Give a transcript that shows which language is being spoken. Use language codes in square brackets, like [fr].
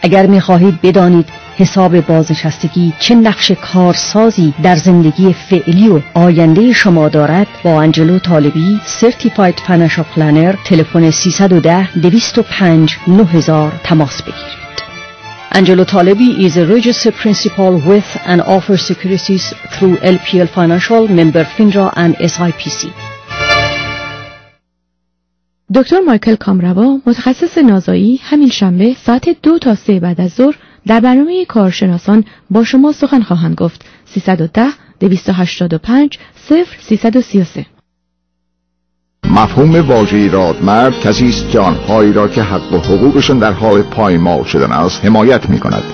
[fa] اگر می خواهید بدانید حساب بازنشستگی چه نقش کارسازی در زندگی فعلی و آینده شما دارد، با انجلو طالبی سرتیفاید فینانشل پلنر تلفن 310-205-9000 تماس بگیرید. [en] Angelo Talebi is a registered principal with and offers securities through LPL Financial, member FINRA and SIPC. [fa] دکتر مایکل کامروا، متخصص نازایی، همین شنبه ساعت 2 تا 3 بعد از ظهر در برنامه کارشناسان با شما سخن خواهند گفت. 310-285-0333. مفهوم واژه رادمرد کسی است که آنهایی را که حق و حقوقشان در حال پایمال شدن است حمایت می‌کند.